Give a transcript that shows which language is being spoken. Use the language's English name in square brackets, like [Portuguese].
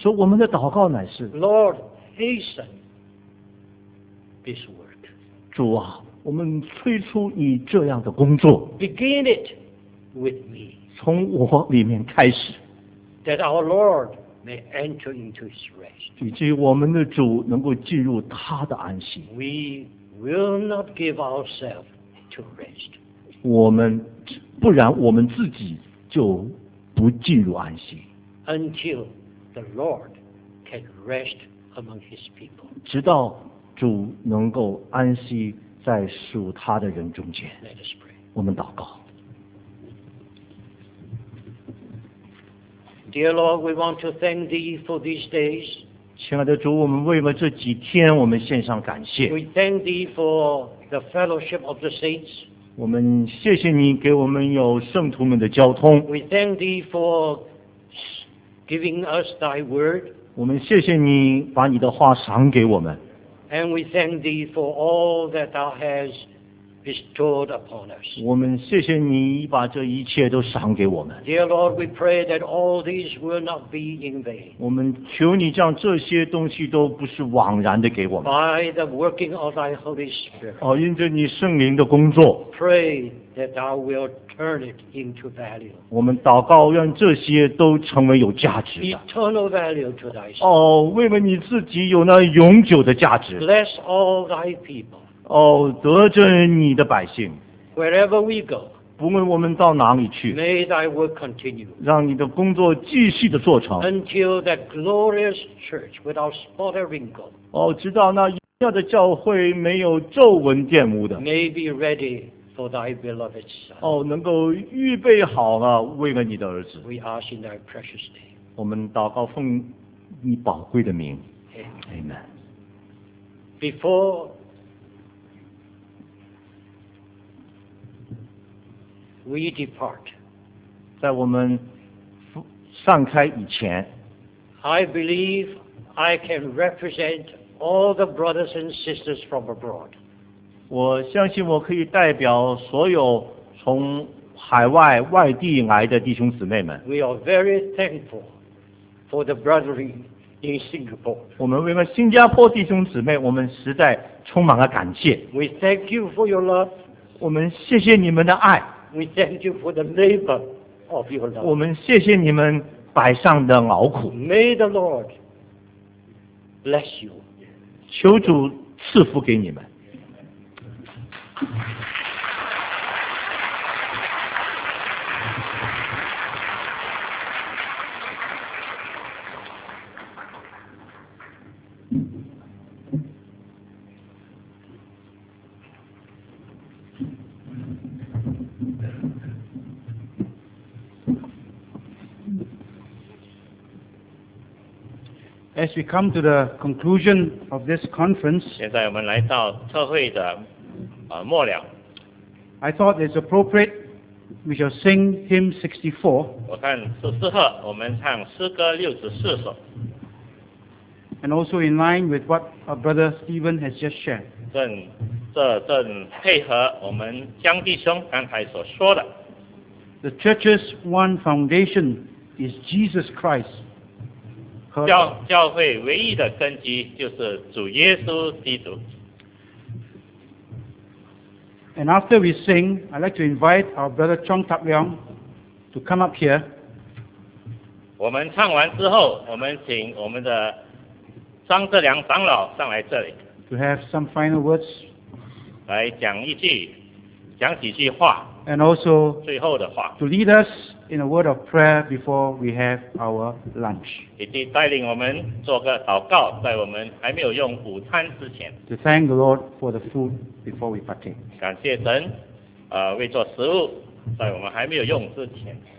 [Chinese] 所以我们的祷告乃是。 [English] Lord, hasten this work. [Chinese] 主啊，我们催促你这样的工作。 [English] Begin it with me. [Chinese] 从我里面开始。 [English] That our Lord may enter into His rest. [Chinese] 以及我们的主能够进入他的安息。 [English] We will not give ourselves to rest. [Chinese] 我们不然我们自己就不进入安息。 [English] Until the Lord can rest among His people. [Chinese] 直到主能够安息在属他的人中间。 [English] Let us pray. [Chinese] 我们祷告。 [English] Dear Lord, we want to thank Thee for these days. [Chinese] 亲爱的主，我们为了这几天，我们献上感谢。 [English] We thank Thee for the fellowship of the saints. [Chinese] 我们谢谢你给我们有圣徒们的交通。 [English] We thank Thee for giving us Thy word. [Chinese] 我们谢谢你把你的话赏给我们。 [English] And we thank Thee for all that Thou has bestowed upon us. [Chinese] 我们谢谢你把这一切都赏给我们。 [English] Dear Lord, we pray that all these will not be in vain. [Chinese] 我们求你将这些东西都不是枉然的给我们。 [English] By the working of Thy Holy Spirit. [Chinese] 哦，因着你圣灵的工作。 [English] Pray that Thou will turn it into value. [Chinese] 我们祷告，让这些都成为有价值的。 [English] Eternal value to Thy. [Chinese] 哦，为了你自己有那永久的价值。 [English] Bless all Thy people. [Chinese] 得着你的百姓。 [English] Wherever we go, [Chinese] 不论我们到哪里去， [English] May thy work continue, [Chinese] 让你的工作继续的做成。 [English] Until that glorious church without spot or wrinkle, [Chinese] 直到那荣耀的教会没有皱纹玷污的。 [English] May be ready for thy beloved son, [Chinese] 能够预备好了为了你的儿子。 [English] We ask in thy precious name, [Chinese] 我们祷告奉你宝贵的名。 [English] Amen. Before we depart. [Chinese] 在我们散开以前， [English] I believe I can represent all the brothers and sisters from abroad. [Chinese] 我相信我可以代表所有从海外外地来的弟兄姊妹们。 [English] We are very thankful for the brethren in Singapore. [Chinese] 我们为了新加坡弟兄姊妹，我们实在充满了感谢。 [English] We thank you for your love. [Chinese] 我们谢谢你们的爱。 [English] We thank you for the labor of your love. [Chinese] 我们谢谢你们摆上的劳苦。 [English] May the Lord bless you. [Chinese] 求主赐福给你们。 [English] As we come to the conclusion of this conference, [Chinese] 现在我们来到特会的末了。 [English] I thought it's appropriate we shall sing hymn 64. [Chinese] 我看是适合我们唱诗歌64首。 [English] And also in line with what our brother Stephen has just shared. [Chinese] 正配合我们江弟兄刚才所说的。 [English] The church's one foundation is Jesus Christ. [Chinese] 教会唯一的根基就是主耶稣基督。 [English] And after we sing, I'd like to invite our brother Chong Tak Leong to come up here. [Chinese] 我们唱完之后，我们请我们的张泽良长老上来这里。 [English] To have some final words. [Chinese] 来讲一句，讲几句话。 [English] And also [Chinese] 最后的话。 [English] To lead us. In a word of prayer before we have our lunch. [Chinese] 以及带领我们做个祷告，在我们还没有用午餐之前。 [English] To thank the Lord for the food before we partake. [Chinese] 感谢神，为做食物，在我们还没有用之前。